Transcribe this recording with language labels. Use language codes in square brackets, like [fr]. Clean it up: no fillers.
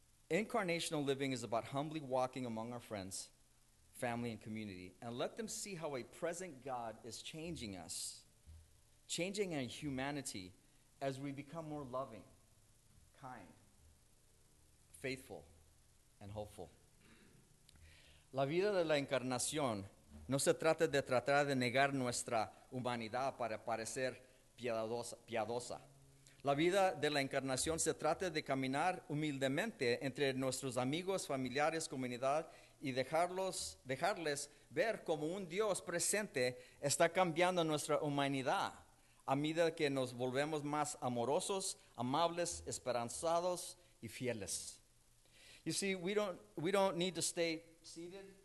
[en] Incarnational living is about humbly walking among our friends, family, and community, and let them see how a present God is changing us, changing our humanity as we become more loving, kind, faithful, and hopeful. [es] La vida de la encarnación no se trata de tratar de negar nuestra humanidad para parecer piadosa. La vida de la encarnación se trata de caminar humildemente entre nuestros amigos, familiares, comunidad y dejarles ver cómo un Dios presente está cambiando nuestra humanidad a medida que nos volvemos más amorosos, amables, esperanzados y fieles. [en] You see, we don't need to stay seated.